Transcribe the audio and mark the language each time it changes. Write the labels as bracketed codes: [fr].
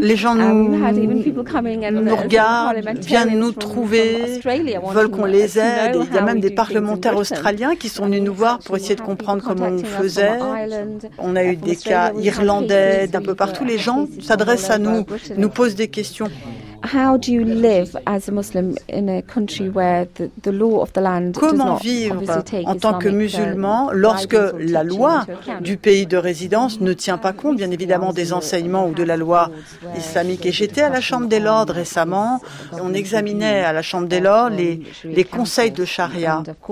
[fr] Les gens nous regardent, viennent nous trouver, veulent qu'on les aide. Il y a même des parlementaires australiens qui sont venus nous voir pour essayer de comprendre comment on faisait. On a eu des cas irlandais, d'un peu partout. Les gens s'adressent à nous, nous posent des questions. [en] How do you live as a Muslim in a country where the law of the land does not obviously take Islamic guidance into account? [fr] En tant que musulman, lorsque la loi du pays de résidence ne tient pas compte, bien évidemment, des enseignements ou de la loi islamique. Et j'étais à la Chambre des Lords récemment. On examinait à la Chambre des Lords les conseils de charia.